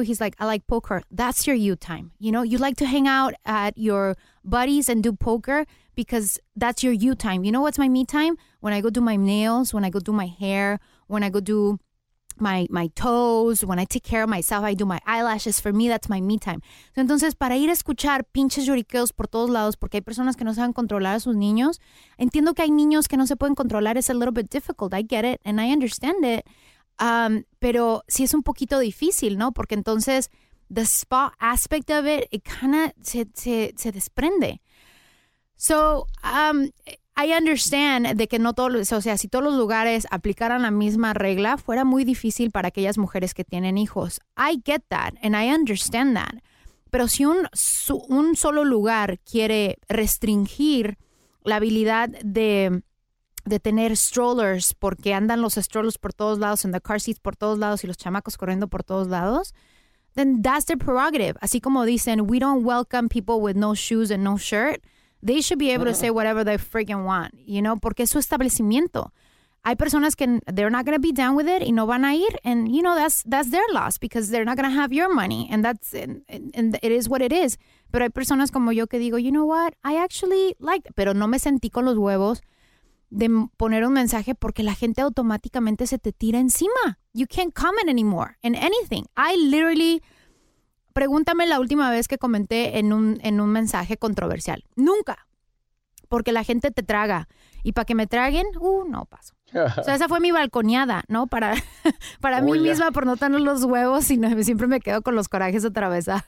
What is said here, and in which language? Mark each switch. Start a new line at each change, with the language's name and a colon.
English: He's like, I like poker. That's your you time. You know, you like to hang out at your buddies and do poker because that's your you time. You know what's my me time? When I go do my nails, when I go do my hair, when I go do my toes, when I take care of myself, I do my eyelashes. For me, that's my me time.
Spanish: Entonces, para ir a escuchar pinches lloriqueos por todos lados, porque hay personas que no saben controlar a sus niños, entiendo que hay niños que no se pueden controlar.
English: It's a little bit difficult. I get it and I understand it.
Spanish: Pero sí es un poquito difícil, ¿no? Porque entonces,
English: the spa aspect of it, it kind of
Spanish: se desprende. So,
English: I understand
Spanish: de que no todos, o sea, si todos los lugares aplicaran la misma regla, fuera muy difícil para aquellas mujeres que tienen hijos.
English: I get that and I understand that.
Spanish: Pero si un solo lugar quiere restringir la habilidad de tener strollers porque andan los strollers por todos lados
English: and the car seats
Spanish: por todos lados y los chamacos corriendo por todos lados,
English: then that's their prerogative.
Spanish: Así como dicen,
English: we don't welcome people with no shoes and no shirt. They should be able to say whatever they freaking want, you know,
Spanish: porque es su establecimiento. Hay personas que
English: they're not going to be down with it
Spanish: y no van a ir.
English: And, you know, that's their loss because they're not going to have your money. And that's and it is what it is.
Spanish: Pero hay personas como yo que digo,
English: you know what, I actually like,
Spanish: pero no me sentí con los huevos de poner un mensaje porque la gente automáticamente se te tira encima.
English: You can't comment anymore in anything. I literally...
Spanish: Pregúntame la última vez que comenté en un mensaje controversial. Nunca. Porque la gente te traga. Y para que me traguen, no paso. O sea, esa fue mi balconeada, ¿no? Para mí misma, por no tener los huevos, sino siempre me quedo con los corajes otra vez.